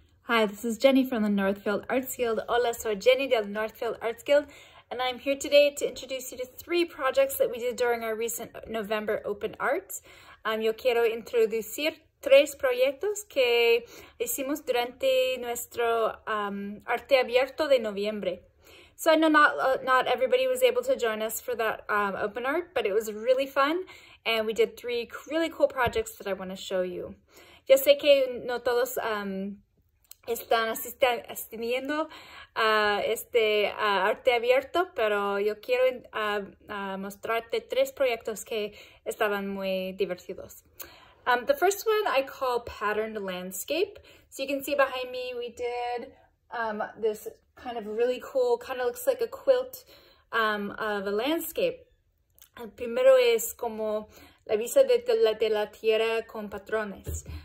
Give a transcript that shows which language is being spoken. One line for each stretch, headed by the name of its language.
English: Hi, this is Jennie from the Northfield Arts Guild.
Spanish: Hola, soy Jennie del Northfield Arts Guild,
English: and I'm here today to introduce you to three projects that we did during our recent November Open Arts.
Spanish: Yo quiero introducir tres proyectos que hicimos durante nuestro Arte Abierto de Noviembre.
English: So I know not everybody was able to join us for that Open Art, but it was really fun, and we did three really cool projects that I want to show you.
Spanish: Yo sé que no todos están asistiendo a este arte abierto, pero yo quiero mostrarte tres proyectos que estaban muy divertidos.
English: The first one I call Patterned Landscape. So you can see behind me, we did this kind of really cool, kind of looks like a quilt of a landscape.
Spanish: El primero es como la vista de la tierra con patrones.